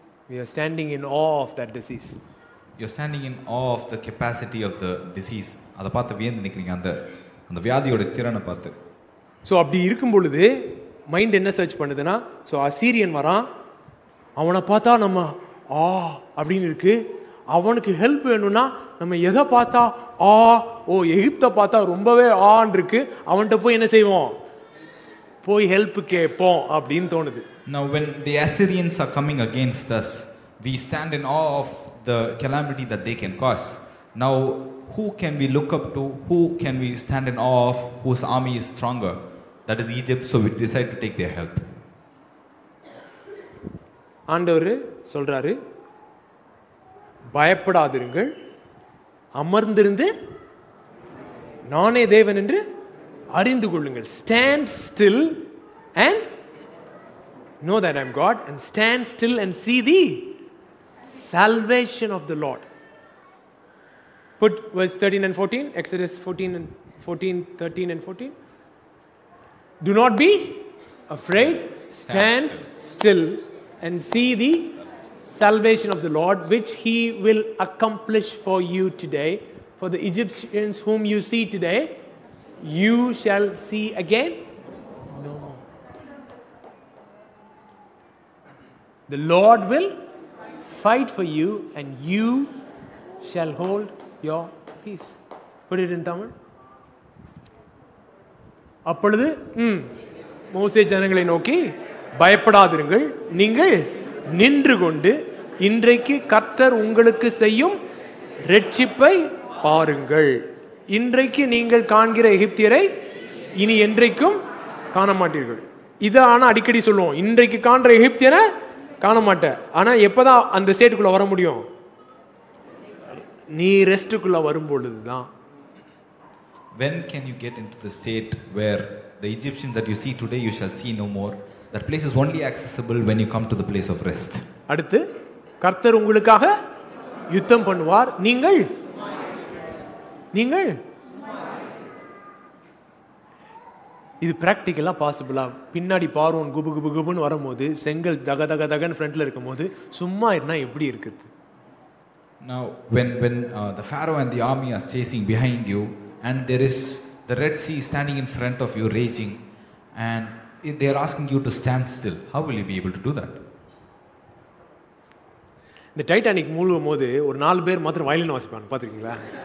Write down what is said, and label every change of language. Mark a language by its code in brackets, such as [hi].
[en] We are standing in awe of that disease. You're standing in awe of the capacity of the disease. [ta] அதை பார்த்து வியந்து நிற்கிறீங்க, அந்த வியாதியோட திறனை பார்த்து. ஸோ அப்படி இருக்கும் பொழுது மைண்ட் என்ன சர்ச் பண்ணுதுன்னா, ஸோ அசீரியன் வரான், அவனை பார்த்தா நம்ம ஆ அப்படின்னு இருக்கு. அவனுக்கு ஹெல்ப் வேணும்னா நம்ம எதை பார்த்தா ஆ, ஓ எகிப்தை பார்த்தா ரொம்பவே ஆன் இருக்கு, அவன்கிட்ட போய் என்ன செய்வோம், போய் ஹெல்ப் கேட்போம் அப்படின்னு தோணுது. [en] Now when the Assyrians are coming against us, we stand in awe of the calamity that they can cause. Now who can we look up to, who can we stand in awe of, whose army is stronger? That is Egypt. So we decide to take their help. [ta] ஆண்டவரே சொல்றாரு, பயப்படாதிருங்கள், அமர்ந்திருந்து நானே தேவன் என்று அறிந்து கொள்ளுங்கள். [en] Stand still and know that I am God, and stand still and see the salvation of the Lord. Put verse 13 and 14, Exodus 14 and 14, 13 and 14. Do not be afraid, stand still and see the salvation of the Lord, which he will accomplish for you today. For the Egyptians whom you see today, you shall see again no more. The Lord will fight for you and you shall hold your peace. Put it in Tamil. [ta] அப்பொழுது மோசே ஜனங்களை நோக்கி, பயப்படாதிருங்கள், நீங்கள் நின்று கொண்டு இன்றைக்கு கர்த்தர் உங்களுக்கு செய்யும் ரட்சிப்பை பாருங்கள். இன்றைக்கு நீங்கள் காண்கிற எகிப்தியரை இனி என்றைக்கும் காண மாட்டீர்கள். இதை ஆனால் அடிக்கடி சொல்லுவோம், இன்றைக்கு காண்ற எகிப்தியனை காண மாட்டேன். ஆனால் எப்போதான் அந்த ஸ்டேட்டுக்குள்ளே வர முடியும்? நீ ரெஸ்ட்டுக்குள்ளே வரும்பொழுது தான். [en] When can you get into the state where the Egyptian that you see today you shall see no more? That place is only accessible when you come to the place of rest. [ta] அடுத்து, கர்த்தர் உங்களுக்காக யுத்தம் பண்ணுவார், நீங்கள் நீங்கள் இது ப்ராக்டிக்கலாக பாசிபிளாக பின்னாடி பார்வோன் குபு குபு குபுன்னு வரும்போது, செங்கல் தக தக தகன் ஃப்ரண்டில் இருக்கும் போது சும்மா இருந்தால் எப்படி இருக்குது? [en] Now, when the Pharaoh and the army are chasing behind you and there is the Red Sea standing in front of you raging and they are asking you to stand still, how will you be able to do that? [ta] இந்த Titanic மூழ்கும் போது ஒரு நாலு பேர் மாத்திரம் violin வாசிப்பாங்க, பார்த்துருக்கீங்களா?